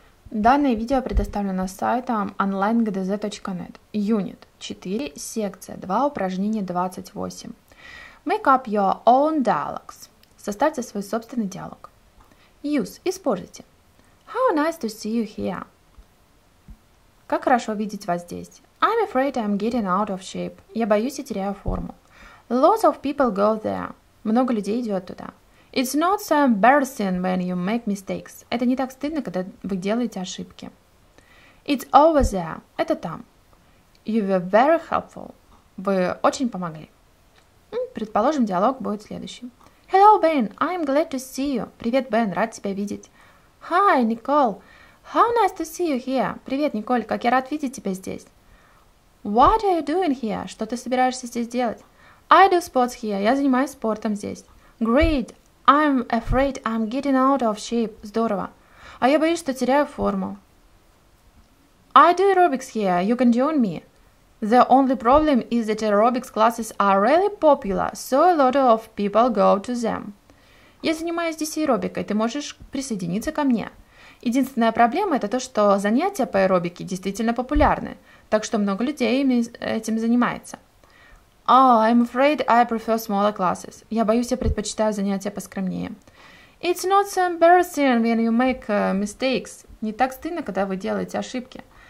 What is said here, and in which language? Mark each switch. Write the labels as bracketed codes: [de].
[ru] Данное видео предоставлено сайтом onlinegdz.net. Unit 4, секция 2, упражнение 28. [en] Make up your own dialogues. [ru] Составьте свой собственный диалог. [en] Use. [ru] Используйте. [en] How nice to see you here. [ru] Как хорошо видеть вас здесь. [en] I'm afraid I'm getting out of shape. [ru] Я боюсь и теряю форму. [en] Lots of people go there. [ru] Много людей идет туда. [en] It's not so embarrassing when you make mistakes. [ru] Это не так стыдно, когда вы делаете ошибки. [en] It's over there. [ru] Это там. [en] You were very helpful. [ru] Вы очень помогли. Предположим, диалог будет следующим. [en] Hello, Ben. I'm glad to see you. [ru] Привет, Бен. Рад тебя видеть. [en] Hi, Nicole. How nice to see you here. [ru] Привет, Николь. Как я рад видеть тебя здесь. [en] What are you doing here? [ru] Что ты собираешься здесь делать? [en] I do sports here. [ru] Я занимаюсь спортом здесь. [en] Great. I'm afraid I'm getting out of shape. [ru] Здорово. А я боюсь, что теряю форму. [en] I do aerobics here. You can join me. The only problem is that aerobics classes are really popular, so a lot of people go to them. [ru] Я занимаюсь здесь аэробикой. Ты можешь присоединиться ко мне. Единственная проблема – это то, что занятия по аэробике действительно популярны, так что много людей этим занимается. [en] Oh, I'm afraid I prefer smaller classes. [ru] Я боюсь, я предпочитаю занятия поскромнее. [en] It's not so embarrassing when you make mistakes. [ru] Не так стыдно, когда вы делаете ошибки.